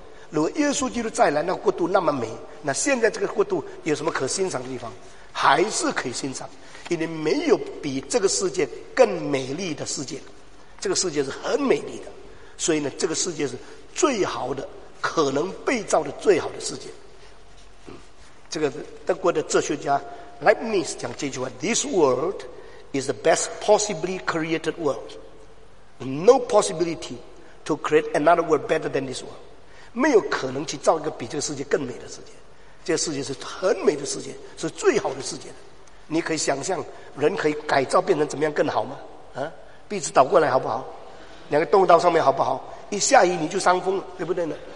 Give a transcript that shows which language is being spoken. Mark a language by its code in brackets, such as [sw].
[zh] 如果耶稣基督再来，那国度那么美，那现在这个国度有什么可欣赏的地方？还是可以欣赏，因为没有比这个世界更美丽的世界，这个世界是很美丽的，所以呢，这个世界是最好的，可能被造的最好的世界。这个德国的哲学家 Leibniz 讲这句话， [en] This world is the best possibly created world. No possibility to create another world better than this world. [zh] 没有可能去造一个比这个世界更美的世界，这个世界是很美的世界，是最好的世界的。你可以想象人可以改造变成怎么样更好吗？壁纸倒过来好不好？两个动刀上面好不好？一下雨你就伤风了，对不对呢？